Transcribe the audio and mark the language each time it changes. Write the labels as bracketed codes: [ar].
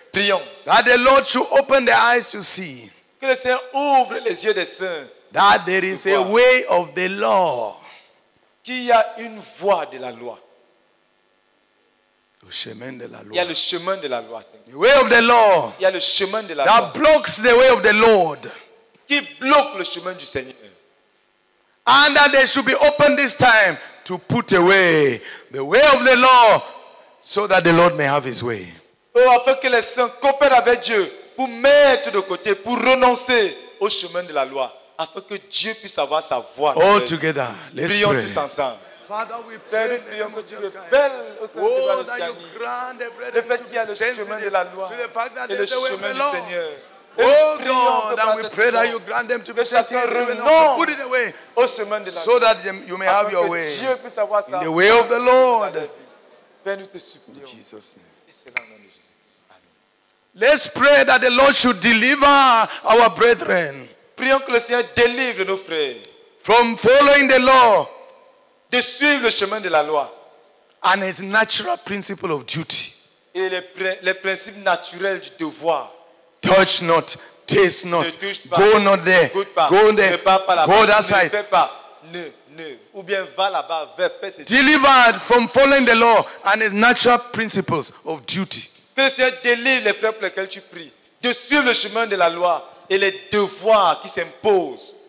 [en] That the Lord should open the eyes to see. That there is a way of the law. [fr] Qu'il y a une voie de la loi. Il y a le chemin de la [en] loi. That blocks the way of the Lord. [fr] Qui bloque le chemin du Seigneur. [en] And that they should be open this time to put away the way of the law so that the Lord may have his way. [fr] Oh, afin que les saints coopèrent avec Dieu pour mettre de côté, pour renoncer au chemin de la loi, afin que Dieu puisse avoir sa voix. [en] All together, let's [fr] Prions [en] pray. [fr] Tous ensemble. [en] Father, we pray in the name of Jesus Christ. Oh, that you grant a brethren to be sensitive to the fact that they were alone. Oh God, that we pray that you grant them to be sensitive enough to put it away so that you may have your way in the way of the Lord. In Jesus' name. Let's pray that the Lord should deliver our brethren [fr] prions que le Seigneur délivre nos frères [en] from following the law, [fr] de suivre le chemin de la loi, [en] and its natural principle of duty. [fr] Et les principes naturels du devoir. [en] Touch not, taste not, [fr] ne touche pas, [en] go not there, [fr] ne goûte pas, [en] go there, [fr] ne pas là-bas, [en] go that side. [fr] Ne fais pas, ne, ou bien va là-bas, fais ceci. [en] Delivered from following the law and its natural principles of duty. [fr] Que le Seigneur délivre les frères pour lesquels tu pries, de suivre le chemin de la loi et les devoirs qui s'imposent.